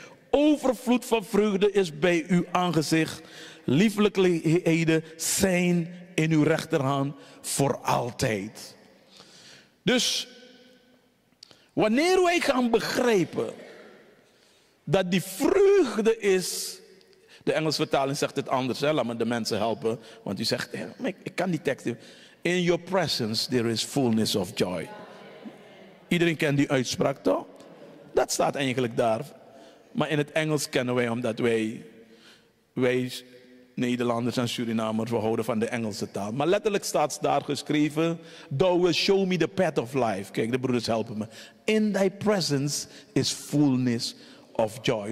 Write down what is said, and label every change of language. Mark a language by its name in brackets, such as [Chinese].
[Dutch] Overvloed van vreugde is bij uw aangezicht. Lieflijkheden zijn in uw rechterhand voor altijd. Dus wanneer wij gaan begrijpen dat die vreugde is... De Engelse vertaling zegt het anders, hè? Laat me de mensen helpen. Want u zegt, ik kan die tekst... [English] In your presence there is fullness of joy. [Dutch] Iedereen kent die uitspraak toch? Dat staat eigenlijk daar. Maar in het Engels kennen wij, omdat wij Nederlanders en Surinamers, we houden van de Engelse taal. Maar letterlijk staat daar geschreven, [English] thou will show me the path of life. [Dutch] Kijk, de broeders helpen me. [English] In thy presence is fullness of joy.